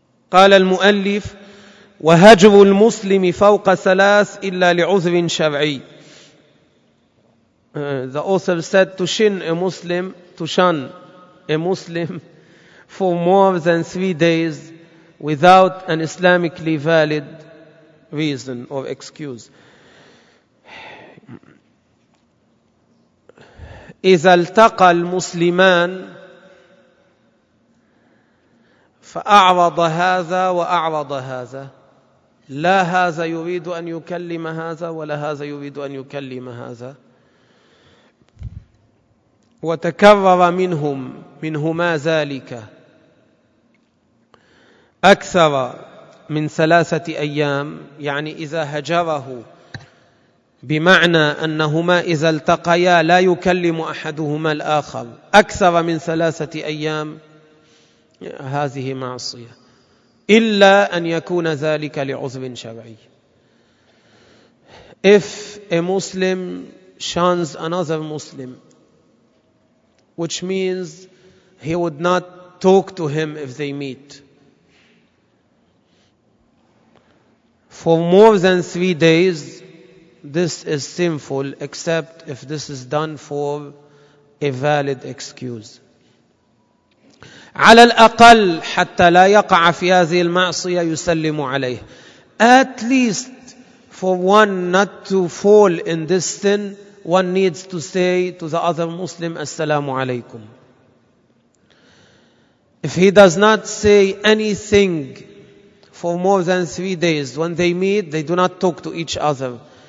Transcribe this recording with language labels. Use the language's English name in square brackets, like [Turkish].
[Arabic] قال المؤلف وهجر المسلم فوق ثلاث إلا لعذر شرعي. [English] The author said to shun a Muslim for more than 3 days without an Islamically valid reason or excuse. [Arabic] إذا التقى المسلمان فأعرض هذا وأعرض هذا, لا هذا يريد أن يكلم هذا ولا هذا يريد أن يكلم هذا, وتكرر منهما ذلك أكثر من 3 أيام, يعني إذا هجره بمعنى أنهما إذا التقيا لا يكلم أحدهما الآخر أكثر من 3 أيام, هذه معصية إلا أن يكون ذلك لعذر شرعي. [English] If a Muslim shuns another Muslim, which means he would not talk to him if they meet, for more than 3 days, this is sinful, except if this is done for a valid excuse. [Arabic] على الأقل حتى لا يقع في هذه المعصية يسلم عليه. [English] At least for one not to fall in this sin, one needs to say to the other Muslim, [Arabic] السلام عليكم. [English] If he does not say anything for more than 3 days, when they meet, they do not talk to each other.